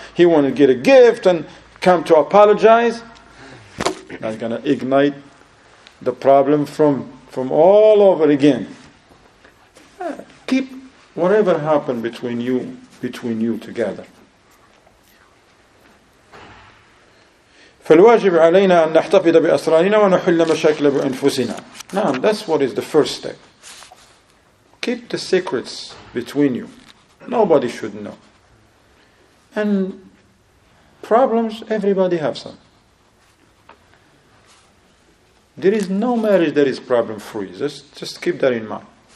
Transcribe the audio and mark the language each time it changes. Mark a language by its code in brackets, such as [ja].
[en] He wanted to get a gift and come to apologize. That's going to ignite the problem from all over again. Keep whatever happened between you together. [ar] فالواجب علينا أن نحتفظ بأسرارنا ونحل مشاكل بأنفسنا. نعم, [en] that's what is the first step. Keep the secrets between you. Nobody should know. And problems, everybody have some. There is no marriage that is problem free. Just keep that in mind.